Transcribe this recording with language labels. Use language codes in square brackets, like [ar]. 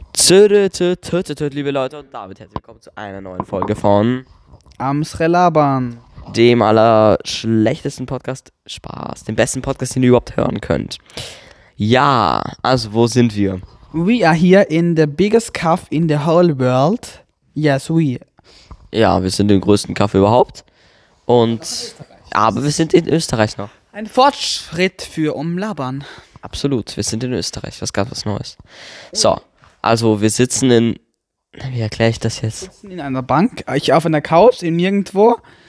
[de] Liebe Leute, und damit herzlich willkommen zu einer neuen Folge von Amsrelaban, dem allerschlechtesten Podcast, Spaß, dem besten Podcast, den ihr überhaupt hören könnt. Ja, also wo sind wir? [en] We are here in the biggest cafe in the whole world. Yes, we. [de] Ja, wir sind im größten Cafe überhaupt. Und aber wir sind in Österreich noch. Ein Fortschritt für Umlabern. Absolut, wir sind in Österreich, was ganz was Neues. So, also wir sitzen in, wie erkläre ich das jetzt? Wir sitzen in einer Bank, ich auf einer Couch, in nirgendwo.